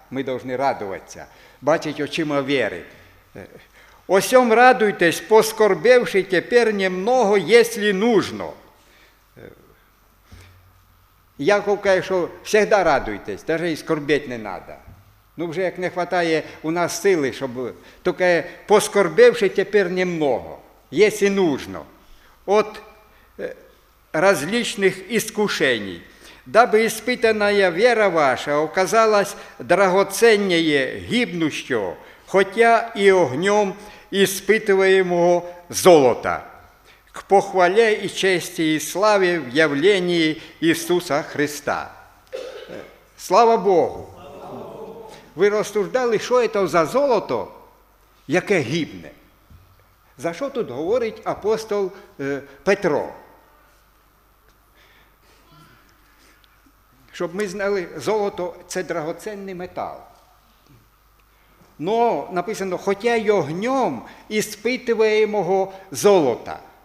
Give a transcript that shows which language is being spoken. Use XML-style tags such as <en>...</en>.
<uk>Ми повинні радуватися, бачити очима віри. Осьом радуйтесь, поскорбивши тепер немного, якщо нужно. Яков каже, що завжди радуйтесь, навіть і скорбіть не треба. Ну вже як не вистачає у нас сили, щоб тільки поскорбивши тепер немного, якщо нужно.</uk> <ru>От различных искушений, дабы испытанная вера ваша оказалась драгоценнее гибнущего, хотя и огнем испытываемого золота, к похвале и чести и славе в явлении Иисуса Христа. Слава Богу! Вы рассуждали, что это за золото,</ru> <uk>яке гибне? За що тут говорить апостол Петро? Щоб ми знали, золото – це драгоценний метал. Но написано, хоча й огнем іспитуємого золота.</uk>